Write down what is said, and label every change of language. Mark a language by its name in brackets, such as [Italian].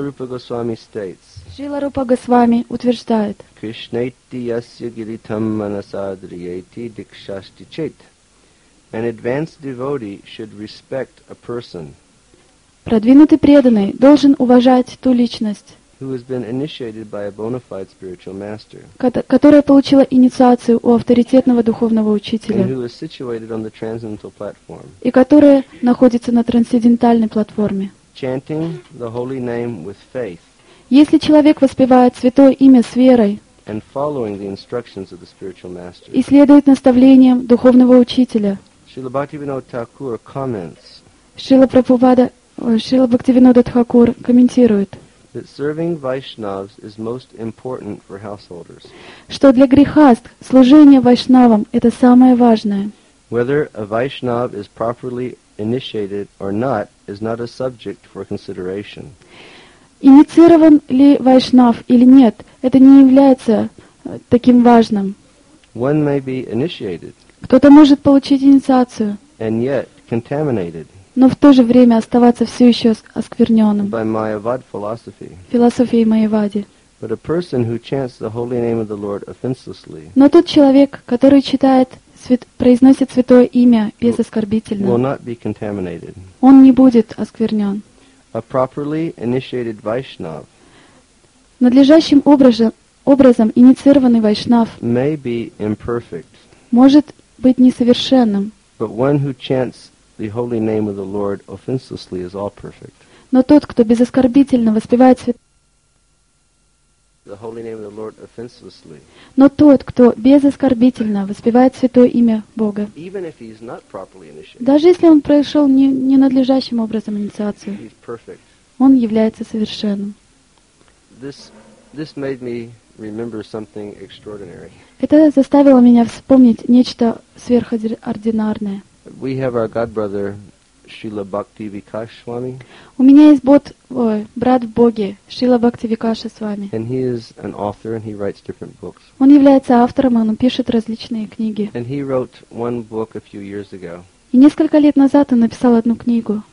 [Russian] Рупа Госвами утверждает [Sanskrit] Кришнейти ясья гиритам манасадриети дикшасти чет. [English] An advanced devotee should respect a person. [Russian] Продвинутый преданный должен уважать ту личность, [English] who has been initiated by a bona fide spiritual master, [Russian] которая получила инициацию у авторитетного духовного учителя, [English] and who is situated on the transcendental platform, [Russian] и которая находится на трансцендентальной платформе. [English] Chanting the holy name with faith, [Russian] если человек воспевает святое имя с верой, [English] and following the instructions of the spiritual master, [Russian] и следует наставлениям духовного учителя, [English] Srila Bhaktivinoda Thakur comments, [Russian] Шрила Бхактивинода Тхакур комментирует, [English] that serving Vaishnavas is most important for householders, [Russian] что для грихаст служение вайшнавам это самое важное. [English] Whether a Vaishnav is properly initiated or not is not a subject for consideration. [Russian] Инициирован ли вайшнав или нет, это не является таким важным. [English] One may be initiated, [Russian] кто-то может получить инициацию, [English] and yet contaminated, [Russian] но в то же время оставаться все еще оскверненным [English] by Mayavad philosophy, [Russian] философией Майявады. [English] But a person who chants the holy name of the Lord offenselessly, [Russian] но тот человек, который читает, произносит святое имя без оскорбительно, [English] will not be contaminated. [Russian] Он не будет осквернен. [English] A properly initiated Vaishnav, [Russian] надлежащим образом инициированный вайшнав, [English] may be imperfect, [Russian] может быть несовершенным, [English] but one who chants the holy name of the Lord offenselessly is all perfect. [Russian] Но тот, кто безоскорбительно воспевает [English] the holy name of the Lord offenselessly, [Russian] но тот, кто безоскорбительно воспевает святое имя Бога, [English] even if he's not properly initiated, [Russian] даже если он прошел ненадлежащим образом инициацию, [English] he's perfect. [Russian] Он является совершенным. [English] This made me remember something extraordinary. [Russian] Это заставило меня вспомнить нечто сверхординарное. [English] We have our godbrother Srila Bhakti Vikash Swami. [Russian] У меня есть брат в Боге Шрила Бхакти Викаша Свами. [English] And he is an author and he writes different books. [Russian] Он является автором, он пишет различные книги. [English] And he wrote one book a few years ago. [Russian] И несколько лет назад он написал одну книгу.